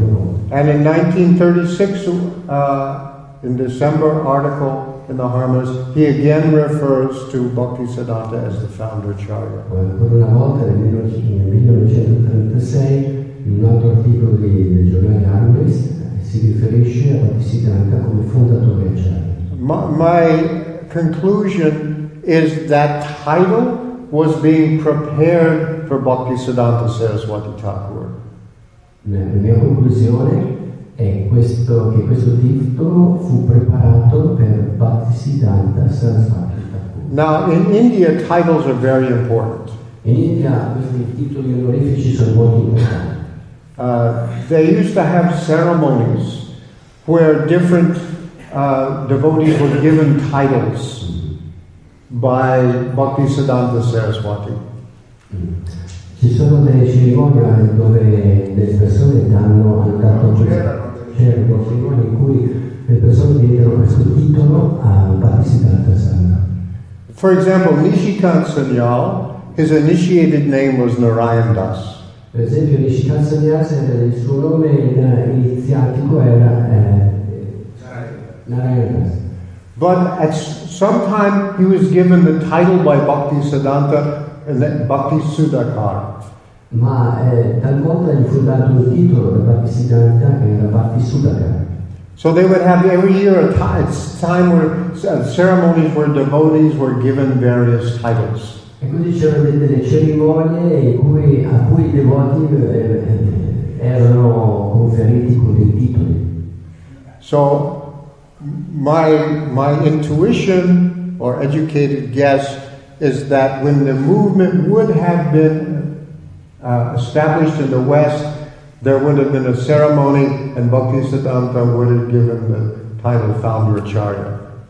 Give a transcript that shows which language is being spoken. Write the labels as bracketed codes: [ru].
[en] And in 1936, in December article in the Harmonist, he again refers to Bhaktisiddhanta as the founder Acharya. [it] Ancora una volta nel 1936, in un altro articolo del giornale Harmonist, si riferisce a Bhaktisiddhanta come fondatore Acharya. [en] My conclusion is that title was being prepared for Bhaktisiddhanta Saraswati Thakur. [it] La mia conclusione è che questo titolo fu preparato per Bhaktisiddhanta Saraswati Thakur. [en] Now, in India, titles are very important. [it] In India, questi titoli onorifici sono molto importanti. [en] They used to have ceremonies where different devotees were given titles by Bhaktisiddhanta Saraswati. [it] Ci sono delle cerimonie dove le persone hanno dato c'erano cerimonie in cui le persone diedero questo titolo a Bhaktisiddhanta Saraswati. [en] For example, Nishikant Sanyal, his initiated name was Narayan Das. [it] Per esempio, Nishikant Sanyal, il suo nome iniziatico era Narayan Das. [en] But at some time he was given the title by Bhaktisiddhanta and then Bhaktisudhakar. [it] Ma talvolta gli fu dato un titolo da Bhaktisiddhanta che era Bhaktisudhakar. [en] So they would have every year a time where ceremonies where devotees were given various titles. [it] E quindi c'erano delle cerimonie a cui i devoti erano conferiti con dei titoli. [en] So my intuition or educated guess is that when the movement would have been established in the West, there would have been a ceremony and Bhaktisiddhanta would have given the title Founder Acharya.